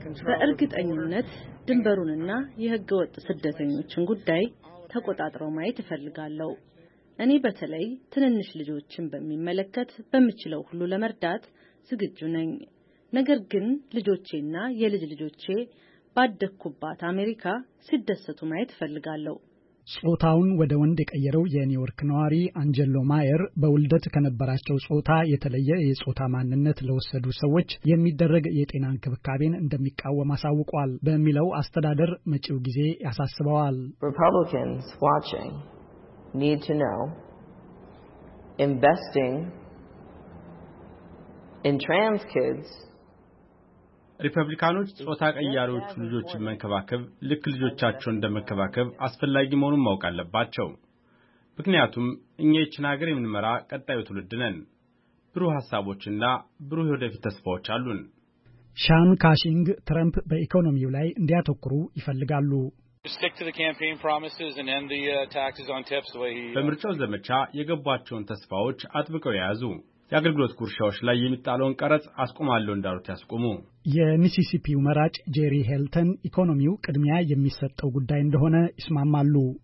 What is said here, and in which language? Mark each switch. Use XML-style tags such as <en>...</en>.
<am>በእርግጠኝነት ድንበሩንና የሕገ ወጥ ስደተኞችን ጉዳይ ተቆጣጥረው ማየት ፈልጋለሁ። እኔ በተለይ ትንንሽ ልጆችን በሚመለከት በሚችለው ሁሉ ለመርዳት ዝግጁ ነኝ። ነገር ግን ልጆቼና የልጅ ልጆቼ ባደኩባት አሜሪካ ሲደሰቱ ማየት ፈልጋለሁ። ጾታውን ወደ ወንድ የቀየረው የኒውዮርክ ነዋሪ አንጀሎ ማየር በውልደት ከነበራቸው ጾታ የተለየ የጾታ ማንነት ለወሰዱ ሰዎች የሚደረግ የጤና እንክብካቤን እንደሚቃወም አሳውቋል። በሚለው አስተዳደር መጪው ጊዜ ያሳስበዋል።</am> <en>Republicans watching need to know investing in trans kids.</en> <am>ሪፐብሊካኖች ጾታ ቀያሪዎች ልጆችን መንከባከብ ልክ ልጆቻቸው እንደመከባከብ አስፈላጊ መሆኑን ማወቅ አለባቸው። ምክንያቱም እኛ እቺን ሀገር የምንመራ ቀጣዩ ትውልድ ነን። ብሩህ ሐሳቦችና ብሩህ ወደፊት ተስፋዎች አሉን። ሻን ካሺንግ ትራምፕ በኢኮኖሚው ላይ እንዲያተኩሩ ይፈልጋሉ።</am> <en>Stick to the campaign promises and end the taxes on tips the way he</en> <am>በምርጫው ዘመቻ የገባቸውን ተስፋዎች አጥብቀው ያዙ። የአገልግሎት ኩርሻዎች ላይ የሚጣለውን ቀረጽ አስቆማለሁ እንዳሉት ያስቆሙ። የሚሲሲፒው መራጭ ጄሪ ሄልተን ኢኮኖሚው ቅድሚያ የሚሰጠው ጉዳይ እንደሆነ ይስማማሉ።</am>